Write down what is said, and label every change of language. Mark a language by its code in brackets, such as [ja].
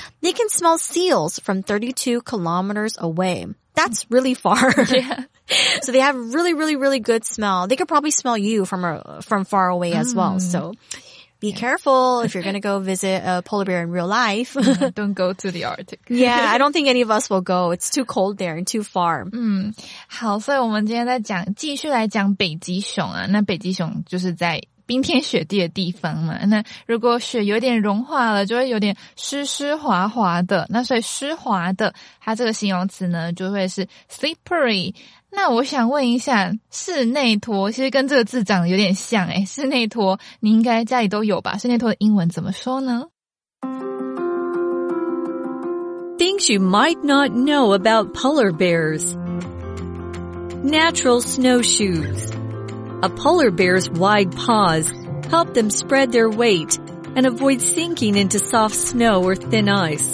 [en] They can smell seals from 32 kilometers away. That's really far. Yeah. So they have really, really, really good smell. They could probably smell you from far away as well. So be careful if you're going to go visit a polar bear in real life. Don't go to the Arctic. Yeah, I don't think any of us will go. It's too cold there and too far. [zh] 好，所以我们今天在讲，继续来讲北极熊啊。那北极熊就是在冰天雪地的地方嘛，那如果雪有点融化了，就会有点湿湿滑滑的。那所以湿滑的，它这个形容词呢，就会是 slippery。那我想问一下，室内拖其实跟这个字长得有点像诶，室内拖你应该家里都有吧？室内拖的英文怎么说呢？ [en] Things you might not know about polar bears. Natural snowshoes. A polar bear's wide paws help them spread their weight and avoid sinking into soft snow or thin ice.